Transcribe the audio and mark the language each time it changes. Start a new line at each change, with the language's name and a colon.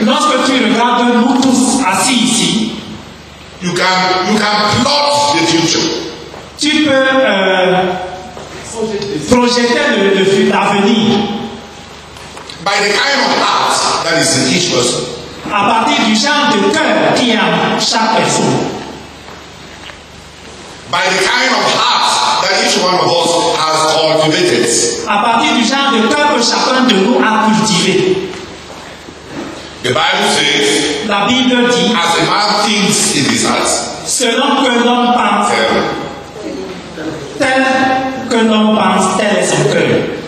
French: lorsque tu regardes nous tous assis ici,
English: you can plot the future.
French: Tu peux projeter l'avenir.
English: By the kind of heart that is in each person.
French: À partir du genre de cœur qui a chaque personne.
English: By the kind of heart that each one of us has cultivated.
French: À partir du genre de cœur que chacun de nous a cultivé.
English: The Bible says,
French: la Bible dit,
English: as a man thinks in his heart,
French: selon que l'homme pense, tel que l'homme pense, tel est son cœur.